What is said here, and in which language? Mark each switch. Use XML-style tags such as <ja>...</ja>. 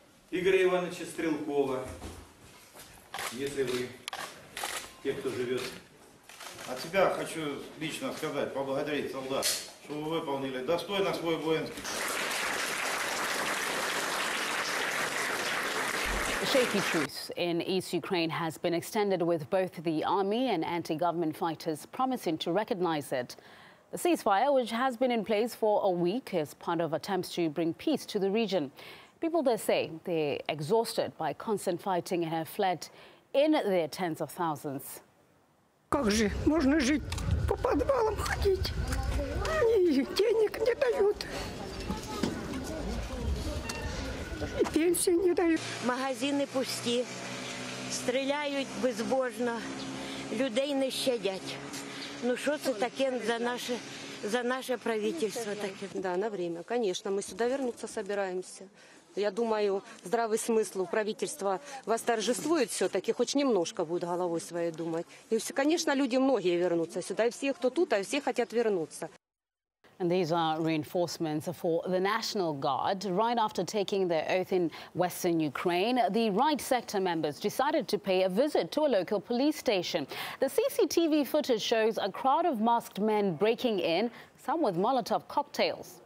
<ru>Игоря Ивановича Стрелкова. Если вы, те, кто живет. От себя хочу лично сказать, поблагодарить солдат. Что вы выполнили достойно свой воинский.</ru> <en>Shaky truce in East Ukraine has been extended with both the army and anti-government fighters promising to recognize it. The ceasefire, which has been in place for a week, is part of attempts to bring peace to the region. People there say they're exhausted by constant fighting and have fled in their tens of thousands.</en> <ru>Как же можно жить? По подвалам ходить?</ru> <uk>Ні, денег не дають. І пенсії не дають. Магазини пусті, стріляють безбожно, людей не щадять. Ну що це таке за наше правительство таке?</uk> <ru>Да, на время, конечно,</ru> <uk>ми сюди</uk> <ru>вернуться собираемся. Я думаю, здравый смысл у правительства восторжествует все-таки, хоть немножко будет головой своей думать. И, конечно, люди многие вернутся сюда, и все, кто тут, а все хотят вернуться.</ru> <en>And these are reinforcements for the National Guard. Right after taking their oath in Western Ukraine, the right sector members decided to pay a visit to a local police station. The CCTV footage shows a crowd of masked men breaking in, some with Molotov cocktails.</en>